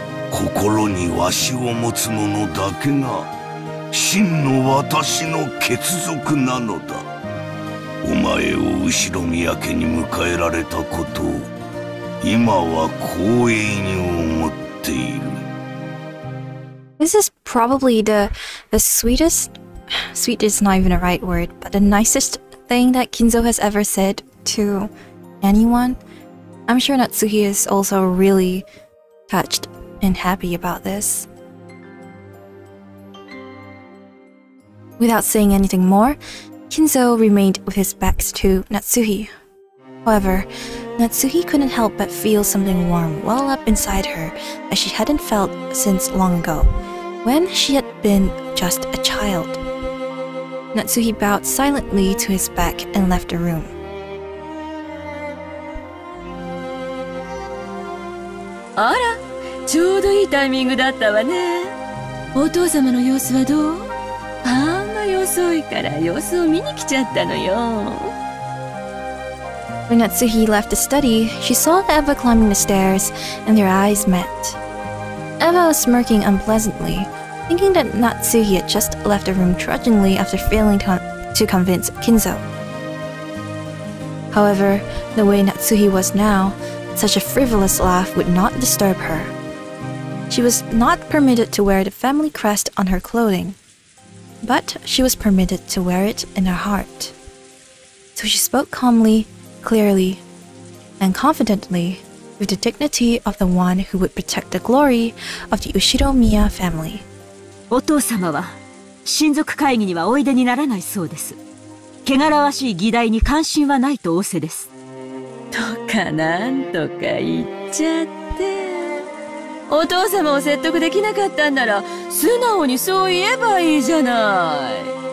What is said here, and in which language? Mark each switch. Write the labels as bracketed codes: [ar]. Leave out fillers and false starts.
[ja] 心にわしを持つ者だけが真の私の血族なのだ。お前を後宮家に迎えられたことを今は光栄に思っている。 [en] This is probably the sweetest, sweet is not even a right word, but the nicest thing that Kinzo has ever said to anyone. I'm sure Natsuhi is also really touched and happy about this. Without saying anything more,Kinzo remained with his back to Natsuhi. However, Natsuhi couldn't help but feel something warm well up inside her that she hadn't felt since long ago, when she had been just a child. Natsuhi bowed silently to his back and left the room. [ja] あら、ちょうどいいタイミングだったわね。お父様の様子はどう？遅いから様子を見に来ちゃったのよ。 [en] When Natsuhi left the study, she saw Eva climbing the stairs and their eyes met. Eva was smirking unpleasantly, thinking that Natsuhi had just left the room trudgingly after failing to convince Kinzo. However, the way Natsuhi was now, such a frivolous laugh would not disturb her. She was not permitted to wear the family crest on her clothing. But she was permitted to wear it in her heart. So she spoke calmly, clearly, and confidently with the dignity of the one who would protect the glory of the Ushiromiya family. [ja] お父様は親族会議にはおいでにならないそうです。汚らわしい議題に関心はないと仰せです。とかなんとか言っちゃって。お父様を説得できなかったんなら素直にそう言えばいいじゃない。